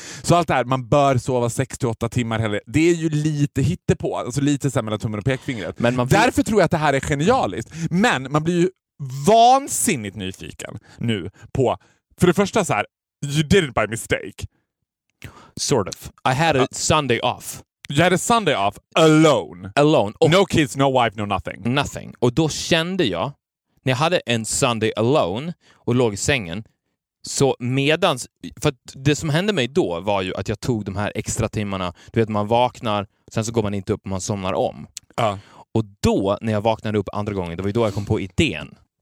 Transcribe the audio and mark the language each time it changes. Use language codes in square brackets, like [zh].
[sv] Så allt det här, man bör sova 6-8 timmar heller. Det är ju lite hittepå. Alltså lite så här mellan tummen och pekfingret. Men därför tror jag att det här är genialiskt. Men man blir ju vansinnigt nyfiken nu på, för det första så här, [en] you did it by mistake. Sort of. I had a Sunday off. You had a Sunday off alone. Alone. Och no kids, no wife, no nothing. Nothing. [sv] Och då kände jag, när jag hade en [en] Sunday alone [sv] och låg i sängen, så medans, för det som hände mig då var ju att jag tog de här extra timmarna. Du vet, man vaknar, sen så går man inte upp och man somnar om. Och då, när jag vaknade upp andra gången, det var ju då jag kom på idén.